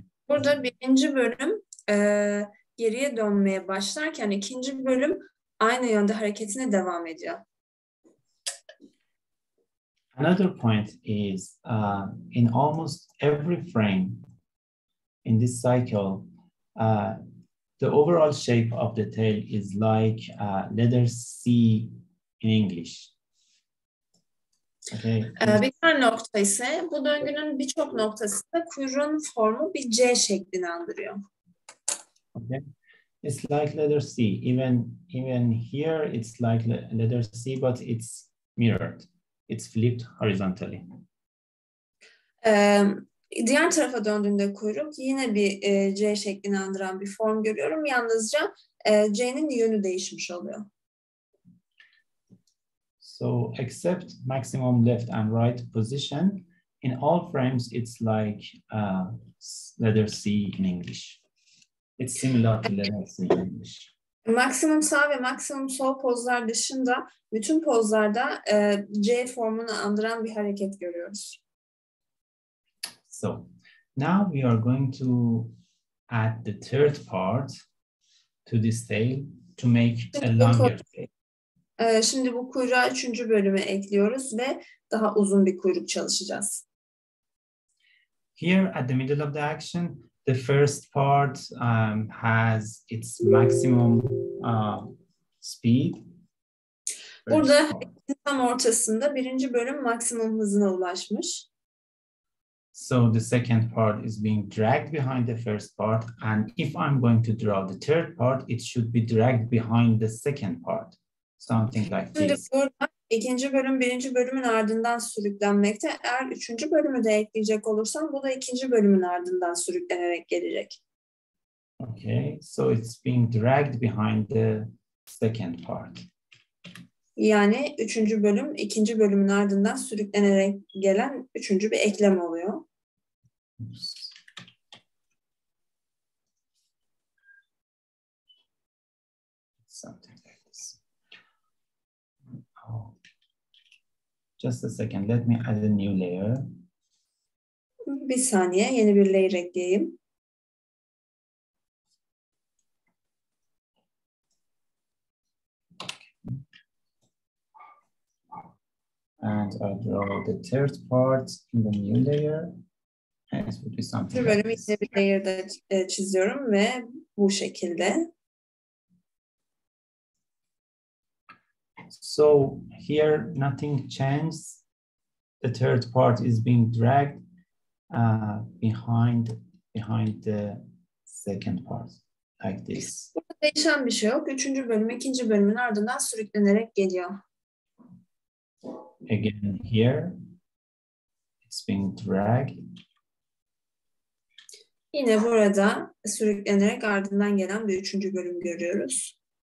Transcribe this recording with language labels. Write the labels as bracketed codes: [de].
[tr] burada birinci bölüm geriye dönmeye başlarken ikinci bölüm aynı yönde hareketine devam ediyor. [en] Another point is in almost every frame in this cycle, the overall shape of the tail is like letter C in English. Okay. [tr] Bir tane nokta ise bu döngünün birçok noktasında kuyruğun formu bir C şeklini andırıyor. [en] Okay. It's like letter C. Even here it's like letter C, but it's mirrored. It's flipped horizontally. [tr] Diğer tarafa döndüğünde kuyruk yine bir C şeklini andıran bir form görüyorum. Yalnızca C'nin yönü değişmiş oluyor. [en] So except maximum left and right position, in all frames it's like letter C in English. It's similar to letter C in English. [tr] Maksimum sağ ve maksimum sol pozlar dışında bütün pozlarda C formunu andıran bir hareket görüyoruz. [en] So, now we are going to add the third part to this tail to make a longer tail. [tr] Şimdi bu kuyruğa üçüncü bölümü ekliyoruz ve daha uzun bir kuyruk çalışacağız. [en] Here at the middle of the action, the first part has its maximum speed. [tr] Burada tam ortasında birinci bölüm maksimum hızına ulaşmış. [en] So the second part is being dragged behind the first part, and if I'm going to draw the third part, it should be dragged behind the second part, something like this. [tr] Şimdi burada ikinci bölüm birinci bölümün ardından sürüklenmekte. Eğer üçüncü bölümü de ekleyecek olursam, bu da ikinci bölümün ardından sürüklenerek gelecek. [en] Okay, so it's being dragged behind the second part. [tr] Yani üçüncü bölüm, ikinci bölümün ardından sürüklenerek gelen üçüncü bir eklem oluyor. [en] Something like this. Oh. Just a second, let me add a new layer. [tr] Bir saniye, yeni bir layer ekleyeyim. [en] And I draw the third part in the new layer. And it would be something. [tr] Bir bölümü yine bir layer'da çiziyorum ve bu şekilde. [en] So here nothing changes. The third part is being dragged behind the second part, like this. [tr] Burada değişen bir şey yok. Üçüncü bölüm ikinci bölümün ardından sürüklenerek geliyor. [en] Again here, it's being dragged. [tr] Yine burada sürüklenerek ardından gelen bir üçüncü bölüm görüyoruz.